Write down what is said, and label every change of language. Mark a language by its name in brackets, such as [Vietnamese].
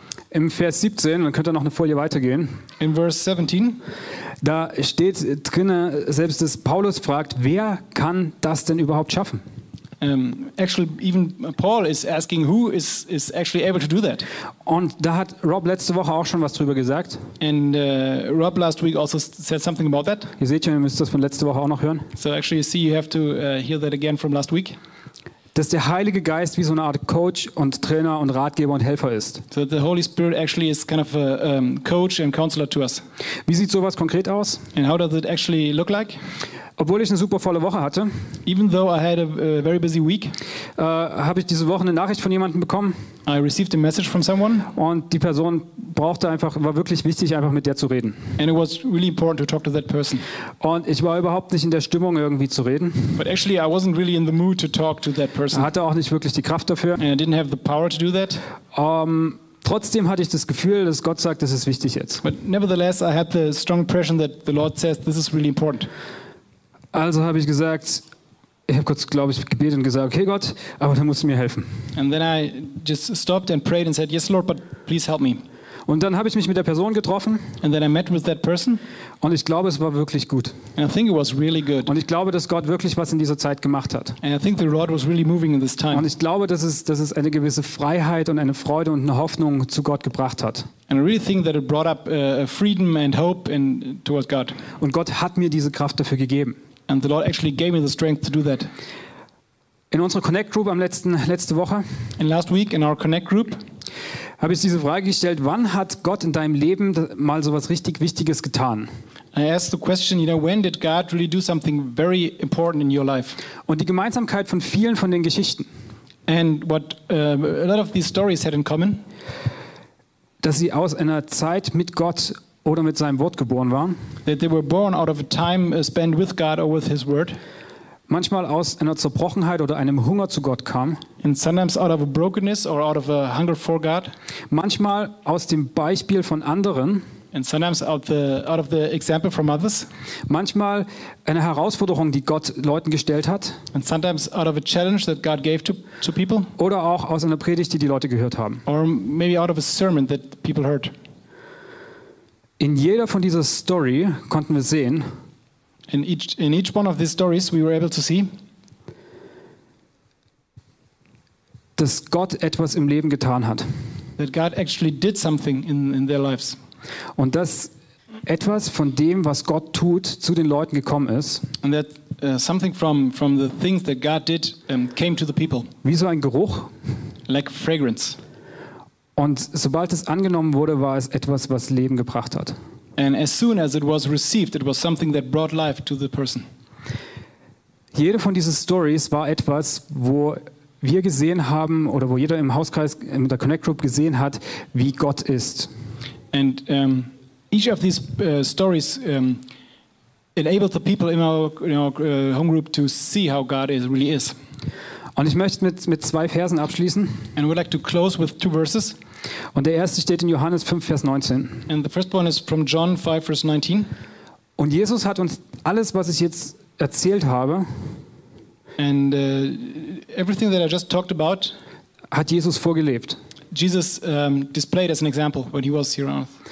[German] Im Vers 17, man könnte noch eine Folie weitergehen. [English] In verse 17, [German] da steht drin, selbst dass Paulus fragt, wer kann das denn überhaupt schaffen? [English] Actually, even Paul is asking, who is actually able to do that? [German] Und da hat Rob letzte Woche auch schon was drüber gesagt. [English] And Rob last week also said something about that. [German] Ihr seht schon, ihr müsst das von letzte Woche auch noch hören. [English] So actually, you see, you have to hear that again from last week. [German] Dass der Heilige Geist wie so eine Art Coach und Trainer und Ratgeber und Helfer ist. [English] So the Holy Spirit actually is kind of a coach and counselor to us. [German] Wie sieht sowas konkret aus? [English] And how does it actually look like? [German] Obwohl ich eine super volle Woche hatte, [English] even though I had a very busy week, [German] habe ich diese Woche eine Nachricht von jemandem bekommen. [English] I received a message from someone. [German] Und die Person brauchte einfach, war wirklich wichtig, einfach mit der zu reden. [English] And it was really important to talk to that person. [German] Und ich war überhaupt nicht in der Stimmung, irgendwie zu reden. [English] But actually, I wasn't really in the mood to talk to that person. [German] Hatte auch nicht wirklich die Kraft dafür. [English] And I didn't have the power to do that. [German] Trotzdem hatte ich das Gefühl, dass Gott sagt, das ist wichtig jetzt. [English] But nevertheless, I had the strong impression that the Lord says, this is really important. [German] Also habe ich gesagt, ich habe kurz, glaube ich, gebetet und gesagt, okay Gott, aber dann musst du mir helfen. [English] And then I just stopped and prayed and said, yes Lord, but please help me. [German] Und dann habe ich mich mit der Person getroffen. [English] And then I met with that person. [German] Und ich glaube, es war wirklich gut. [English] And I think it was really good. [German] Und ich glaube, dass Gott wirklich was in dieser Zeit gemacht hat. [English] And I think the Lord was really moving in this time. [German] Und ich glaube, dass es eine gewisse Freiheit und eine Freude und eine Hoffnung zu Gott gebracht hat. [English] And I really think that it brought up freedom and hope towards God. [German] Und Gott hat mir diese Kraft dafür gegeben. [English] And the Lord actually gave me the strength to do that. [German] In unserer Connect Group am letzte Woche, [English] in last week in our Connect Group, [German] habe ich diese Frage gestellt, wann hat Gott in deinem Leben mal sowas richtig Wichtiges getan? [English] I asked the question, you know, when did God really do something very important in your life? [German] Und die Gemeinsamkeit von vielen von den Geschichten. [English] And what a lot of these stories had in common, [German] dass sie aus einer Zeit mit Gott oder mit seinem Wort geboren waren. [English] That they were born out of a time spent with God or with his word. [German] Manchmal aus einer Zerbrochenheit oder einem Hunger zu Gott kam. [English] And sometimes out of a brokenness or out of a hunger for God. [German] Manchmal aus dem Beispiel von anderen. [English] And sometimes out of the example from others. [German] Manchmal eine Herausforderung, die Gott Leuten gestellt hat. [English] And sometimes out of a challenge that God gave to people. [German] Oder auch aus einer Predigt, die Leute gehört haben. [English] Or maybe out of a sermon that people heard. [German] In jeder von dieser Story konnten wir sehen, [English] in each one of these stories we were able to see, [German] dass Gott etwas im Leben getan hat. [English] that God actually did something in their lives. [German] Und dass etwas von dem, was Gott tut, zu den Leuten gekommen ist. [English] And that something from the things that God did came to the people. [German] Wie so ein Geruch. [English] Like fragrance. [German] Und sobald es angenommen wurde, war es etwas, was Leben gebracht hat. [English] And as soon as it was received, it was something that brought life to the person. [German] Jede von diesen Stories war etwas, wo wir gesehen haben oder wo jeder im Hauskreis in der Connect Group gesehen hat, wie Gott ist. [English] And each of these stories enabled the people in our, home group to see how God is, really is. [German] Und ich möchte mit zwei Versen abschließen. [English] And we'd like to close with two verses. [German] Und der erste steht in Johannes 5, Vers 19. [English] And the first one is from John 5, Vers 19. [German] Und Jesus hat uns alles, was ich jetzt erzählt habe, [English] and everything that I just talked about, [German] hat Jesus vorgelebt. [English] Jesus displayed as an example when he was here on earth.